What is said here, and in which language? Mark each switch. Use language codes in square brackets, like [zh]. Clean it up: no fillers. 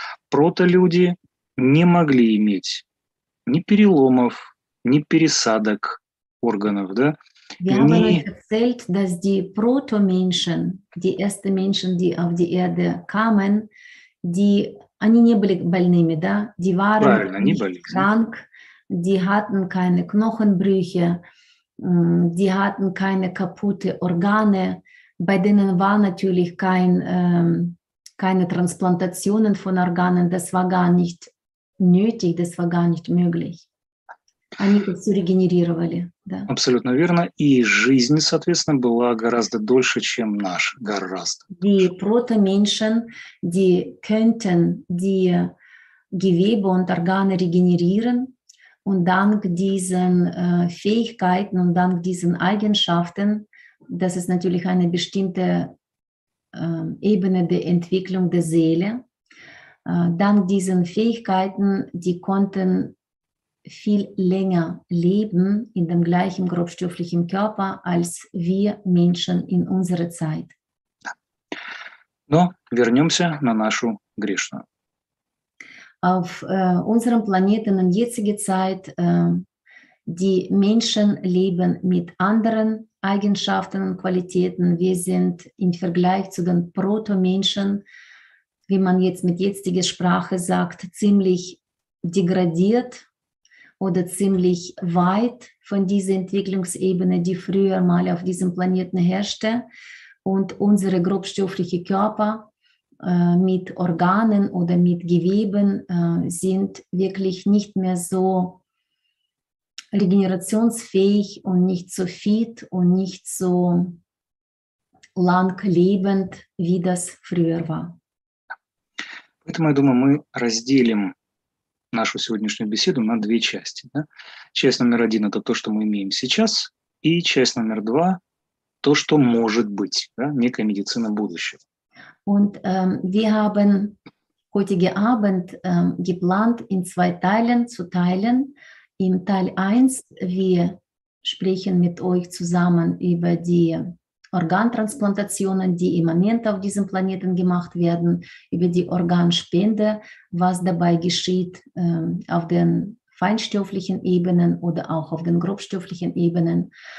[ru] Прото-люди не могли иметь ни переломов, ни пересадок органов, да? [de] Wir haben erzählt, dass die Proto-Menschen, die ersten Menschen, die auf die Erde kamen, [ru] они не были больными, да? [de] Die waren nicht krank, die hatten keine Knochenbrüche, die hatten keine kaputte Organe, bei denen war natürlich keine Transplantationen von Organen, das war gar nicht nötig, das war gar nicht möglich. [ru] Они все регенерировали, да. Абсолютно верно. И жизнь, соответственно, была гораздо дольше, чем наша. Гораздо. [de] Die Proto-Menschen, die könnten die Gewebe und Organe regenerieren, und dank diesen Fähigkeiten und dank diesen Eigenschaften, das ist natürlich eine bestimmte Ebene der Entwicklung der Seele, dank diesen Fähigkeiten, die konnten viel länger leben in dem gleichen grobstofflichen Körper als wir Menschen in unserer Zeit. [ru] Но вернемся на нашу грешную. [de] Auf unserem Planeten in jetziger Zeit, die Menschen leben mit anderen Eigenschaften und Qualitäten. Wir sind im Vergleich zu den Proto-Menschen, wie man jetzt mit jetziger Sprache sagt, ziemlich degradiert oder ziemlich weit von dieser Entwicklungsebene, die früher mal auf diesem Planeten herrschte. Und unsere grobstoffliche Körper mit Organen oder mit Geweben sind wirklich nicht mehr so regenerationsfähig und nicht so fit und nicht so langlebend, wie das früher war. [ru] Поэтому, я думаю, мы разделим нашу сегодняшнюю беседу на две части. Да? Часть номер один – это то, что мы имеем сейчас, и часть номер два – то, что может быть, да? Некая медицина будущего. [de] Und wir haben heutige Abend geplant, in zwei Teilen zu teilen. Im Teil 1, wir sprechen mit euch zusammen über die Organtransplantationen, die im Moment auf diesem Planeten gemacht werden, über die Organspende, was dabei geschieht auf den feinstofflichen Ebenen oder auch auf den grobstofflichen Ebenen.